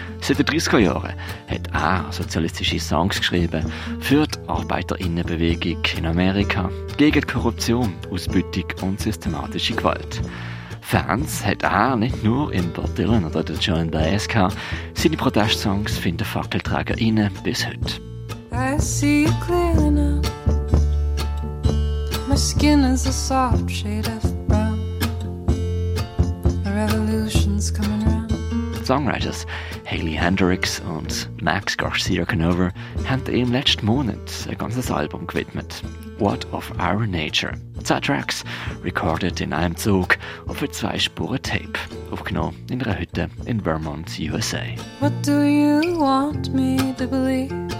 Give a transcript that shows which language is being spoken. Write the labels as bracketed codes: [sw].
[de] Seit den 30er Jahren hat er sozialistische Songs geschrieben für die Arbeiterinnenbewegung in Amerika gegen Korruption, Ausbeutung und systematische Gewalt. Fans hat er nicht nur in Bob Dylan oder der Joan Baez gehabt, seine Protestsongs finden Fackelträger inne bis heute. [en] I see you clear now. My skin is a soft shade of brown. The revolution's coming round. [de] Songwriters Hayley Hendrix und Max Garcia Canover haben ihm letzten Monat ein ganzes Album gewidmet. What of Our Nature. 10 Tracks, recorded in einem Zug auf ein 2-Spuren-Tape, aufgenommen in einer Hütte in Vermont, USA. [en] What do you want me to believe?